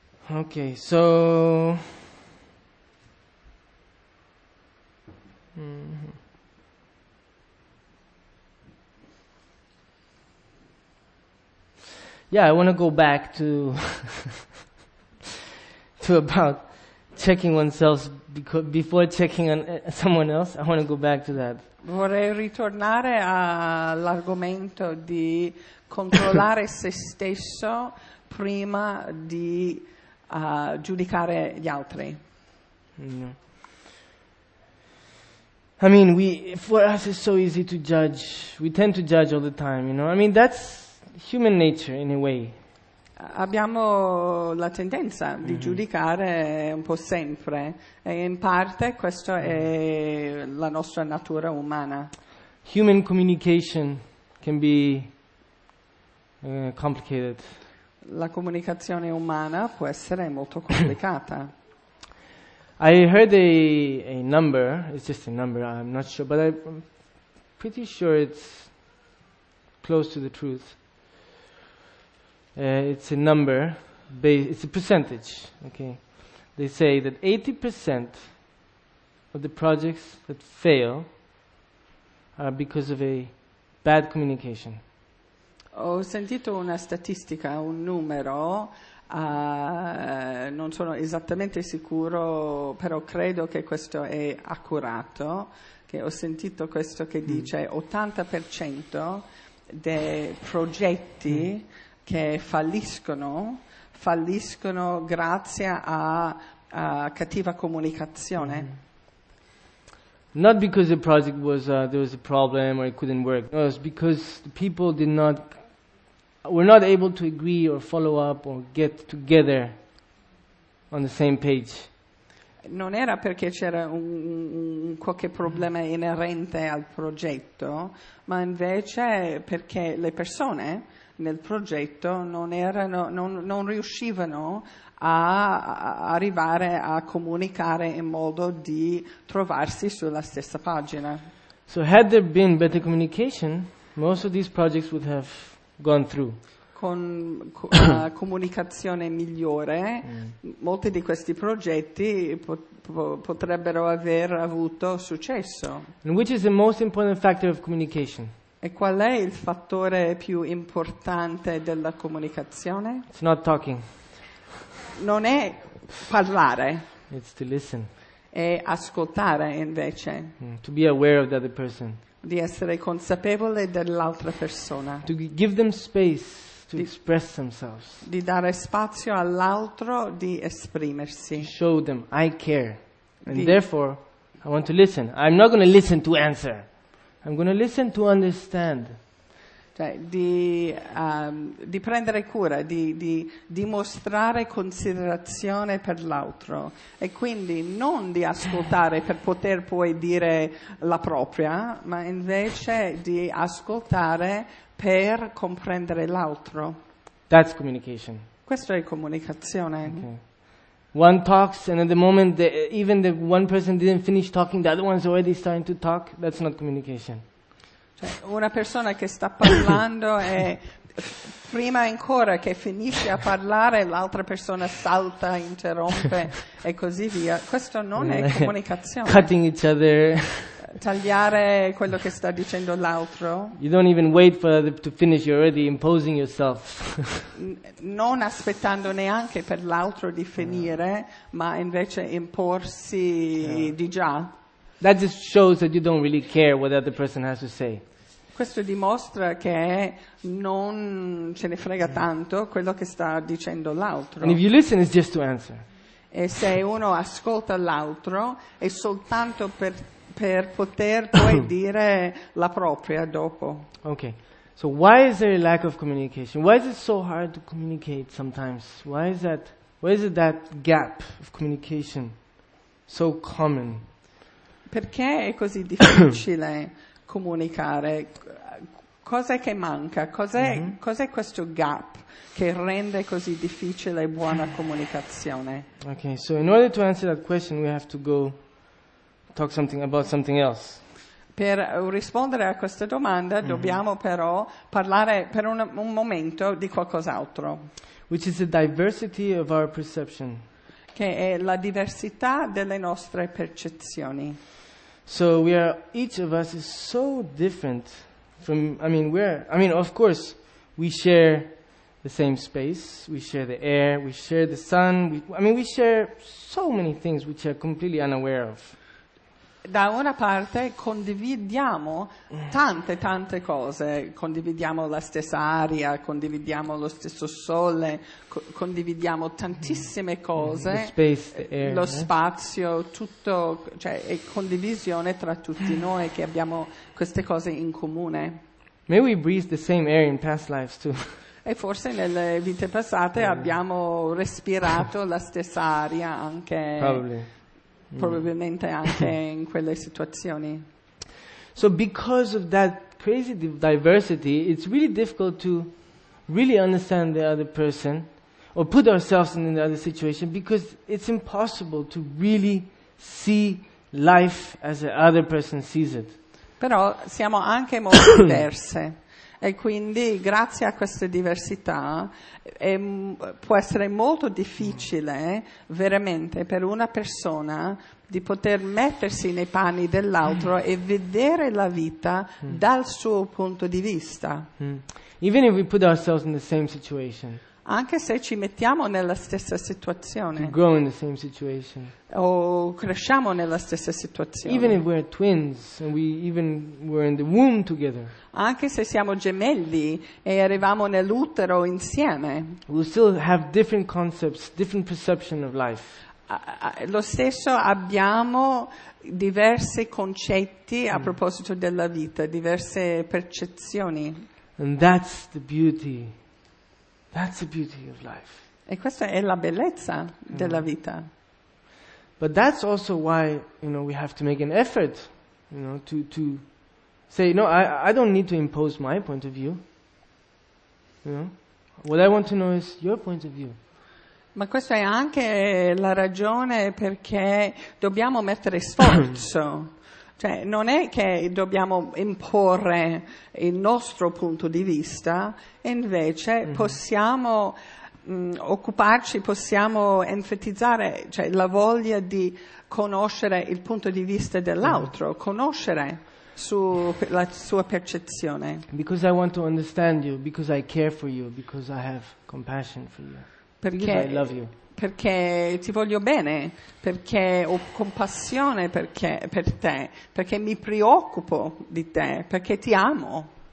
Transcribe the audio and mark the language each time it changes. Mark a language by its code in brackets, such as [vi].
[en] Okay, so yeah, I want to go back to to about checking oneself before checking on someone else. I want to go back to that. [it] Vorrei ritornare all'argomento di controllare se stesso prima di giudicare gli altri. No. [en] I mean, we for us it's so easy to judge. We tend to judge all the time, you know. I mean, that's human nature in a way. [it] Abbiamo la tendenza di giudicare un po' sempre e in parte questo è la nostra natura umana. [en] Human communication can be complicated. [it] La comunicazione umana può essere molto complicata. [en] I heard a number, it's just a number, I'm not sure, but I'm pretty sure it's close to the truth. It's a number, it's a percentage, okay? They say that 80% of the projects that fail are because of a bad communication. [it] Ho sentito una statistica, un numero, non sono esattamente sicuro, però credo che questo è accurato, che ho sentito questo che dice 80% dei progetti che falliscono grazie a cattiva comunicazione. [en] Not because the project was there was a problem or it couldn't work. No, it was because the people did not were not able to agree or follow up or get together on the same page. [it] Non era perché c'era un qualche problema inerente al progetto, ma invece perché le persone nel progetto non riuscivano a arrivare a comunicare in modo di trovarsi sulla stessa pagina. [en] So had there been better communication, most of these projects would have gone through. [it] Con comunicazione migliore, molti di questi progetti potrebbero aver avuto successo. [en] And which is the most important factor of communication? [it] E qual è il fattore più importante della comunicazione? [en] It's not talking. [it] Non è parlare. [en] It's to listen. [it] È ascoltare invece. [en] To be aware of the other person. [it] Di essere consapevole dell'altra persona. [en] To give them space to express themselves. [it] Di dare spazio all'altro di esprimersi. [en] To show them I care. And therefore I want to listen. I'm not going to listen to answer. I'm going to listen to understand. [it] Cioè, di prendere cura, di dimostrare considerazione per l'altro e quindi non di ascoltare per poter poi dire la propria, ma invece di ascoltare per comprendere l'altro. [en] That's communication. [it] Questo è comunicazione. [en] Okay. One talks, and at the moment, even the one person didn't finish talking, the other one's already starting to talk. That's not communication. [it] Cioè, una persona che sta parlando e prima ancora che finisce a parlare, l'altra persona salta, interrompe e così via. Questo non è comunicazione. [en] Cutting each other. [it] Tagliare quello che sta dicendo l'altro. [en] You don't even wait for them to finish, you're already imposing yourself. [it] Non aspettando neanche per l'altro di finire, ma invece imporsi di già. [en] That just shows that you don't really care what the other person has to say. [it] Questo dimostra che non ce ne frega tanto quello che sta dicendo l'altro. [en] And if you listen, it's just to answer. [it] E se uno ascolta l'altro è soltanto per poter poi dire la propria dopo. [en] Okay. So why is there a lack of communication? Why is it so hard to communicate sometimes? Why is that? Why is it that gap of communication so common? [it] Perché è così difficile comunicare? Cos'è che manca? Cos'è questo gap che rende così difficile buona comunicazione? [en] Okay, so in order to answer that question, we have to go talk something about something else. [it] Per rispondere a questa domanda, dobbiamo però parlare per un momento di qualcos'altro. [en] Which is the diversity of our perception. [it] Che è la diversità delle nostre percezioni. [en] So we are, each of us is so different from, of course, we share the same space, we share the air, we share the sun, we share so many things which are completely unaware of. [it] Da una parte condividiamo tante, tante cose, condividiamo la stessa aria, condividiamo lo stesso sole, condividiamo tantissime cose, lo spazio, tutto, cioè è condivisione tra tutti noi che abbiamo queste cose in comune. [en] May we breathe the same air in past lives too. [it] E forse nelle vite passate abbiamo respirato la stessa aria anche. Probabilmente anche in quelle situazioni. [en] So because of that crazy diversity, it's really difficult to really understand the other person or put ourselves in the other situation, because it's impossible to really see life as the other person sees it. [it] Però siamo anche molto diverse. E quindi, grazie a queste diversità, può essere molto difficile, veramente, per una persona di poter mettersi nei panni dell'altro e vedere la vita dal suo punto di vista. [en] Even if we put ourselves in the same situation. [it] Anche se ci mettiamo nella stessa situazione. [en] We grow in the same situation. [it] O cresciamo nella stessa situazione. [en] Even if we're twins and we even were in the womb together. [it] Anche se siamo gemelli e arrivamo nell'utero insieme. [en] We still have different concepts, different perception of life. [it] Lo stesso abbiamo diversi concetti a proposito della vita, diverse percezioni. [en] And that's the beauty. That's the beauty of life. [it] E questa è la bellezza della vita. [en] But that's also why, you know, we have to make an effort, you know, to say, no, I don't need to impose my point of view. You know? What I want to know is your point of view. [it] Ma questa è anche la ragione perché dobbiamo mettere sforzo. Cioè, non è che dobbiamo imporre il nostro punto di vista, invece possiamo occuparci, possiamo enfatizzare, cioè, la voglia di conoscere il punto di vista dell'altro, conoscere la sua percezione. [en] Because I want to understand you, because I care for you, because I have compassion for you, [it] perché [en] I love you. [it] Perché ti voglio bene, perché ho compassione per te, perché mi preoccupo di te, perché ti amo.